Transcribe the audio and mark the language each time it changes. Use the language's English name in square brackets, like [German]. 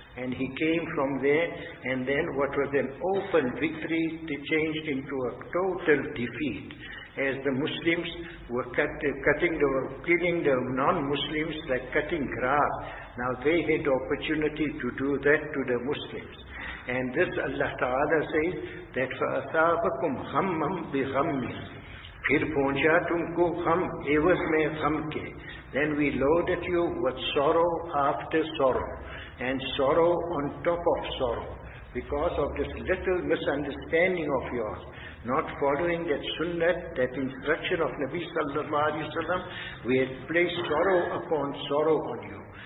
[English] And he came from there, and then what was an open victory changed into a total defeat, as the Muslims were killing the non-Muslims like cutting grass. Now they had the opportunity to do that to the Muslims. And this Allah Ta'ala says that [Arabic] فَأَثَابَكُمْ غَمَّمْ بِغَمِّمْ [Urdu] پھر پہنچا تم کو غم عوض میں غم کے. [English] Then we loaded you with sorrow after sorrow, and sorrow on top of sorrow, because of this little misunderstanding of yours, not following that sunnah, that instruction of Nabi sallallahu alayhi wa sallam, we had placed sorrow upon sorrow on you.